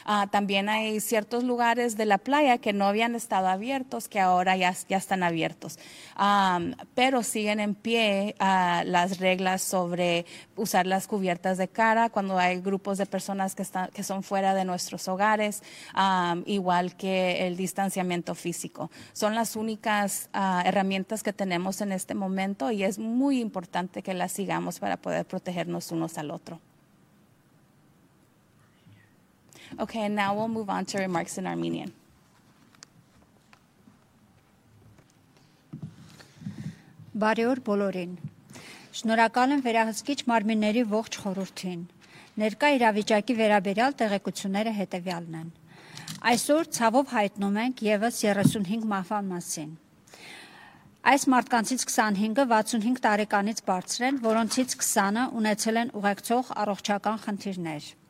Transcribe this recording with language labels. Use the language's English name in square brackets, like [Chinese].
[Spanish] También hay ciertos lugares de la playa que no habían estado abiertos, que ahora ya están abiertos, pero siguen en pie las reglas sobre usar las cubiertas de cara cuando hay grupos de personas que son fuera de nuestros hogares, igual que el distanciamiento físico. Son las únicas herramientas que tenemos en este momento, y es muy importante que las sigamos para poder protegernos unos al otro. [English] Okay, and now we'll move on to remarks in Armenian. [Armenian] Բարեօր բոլորին։ Շնորհակալ եմ վերահսկիչ մարմինների ողջ խորհրդին։ Ներկա իրավիճակի վերաբերյալ տեղեկությունները հետևյալն են։ Այսօր ցավով հայտնում ենք ևս 35 մահվան մասին։ Այս մարդկանցից 25-ը 65 տարեկանից բարձր են, որոնցից 20-ը ունեցել են ուղեկցող առողջական խնդիրներ։